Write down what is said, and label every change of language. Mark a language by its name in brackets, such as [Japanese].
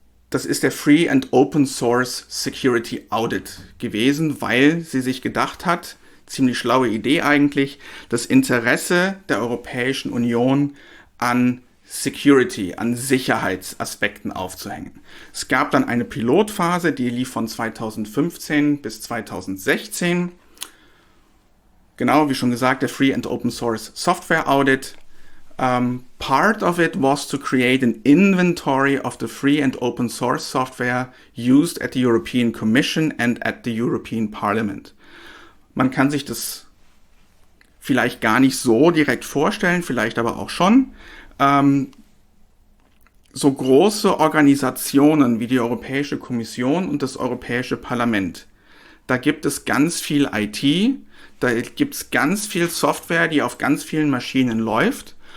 [German] Das ist der Free and Open Source Security Audit gewesen, weil sie sich gedacht hat, ziemlich schlaue Idee eigentlich, das Interesse der Europäischen Union an Security, an Sicherheitsaspekten aufzuhängen. Es gab dann eine Pilotphase, die lief von 2015 bis 2016. Genau, wie schon gesagt, der Free and Open Source Software Audit. [English] Part of it was to create an inventory of the free and open source software used at the European Commission and at the European Parliament. [German] Man kann sich das vielleicht gar nicht so direkt vorstellen, vielleicht aber auch schon. So große Organisationen wie die Europäische Kommission und das Europäische Parlament, da gibt es ganz viel IT, da gibt es ganz viel Software, die auf ganz vielen Maschinen läuft.